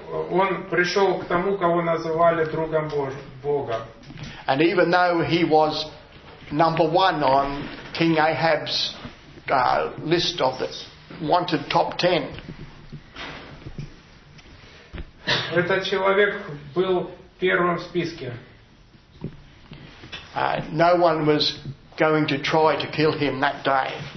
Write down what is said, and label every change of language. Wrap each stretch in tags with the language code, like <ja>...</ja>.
<ru>Он пришёл к тому, кого называли другом Бога.</ru> <en>And even though he was number one on King Ahab's list of the wanted top 10.</en> <ru>Этот человек был первым в списке.</ru> <en>No one was going to try to kill him that day.</en>